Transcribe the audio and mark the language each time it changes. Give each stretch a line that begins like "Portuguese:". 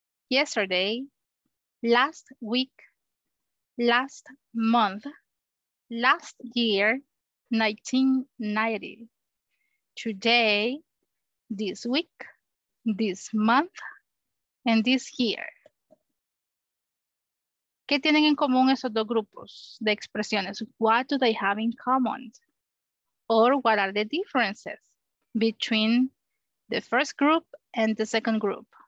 English: Yesterday, last week, last month, last year, 1990. Today, this week, this month, and this year.
Spanish: ¿Qué tienen en común esos dos grupos de expresiones?
English: What do they have in common? Or what are the differences between the first group and the second group?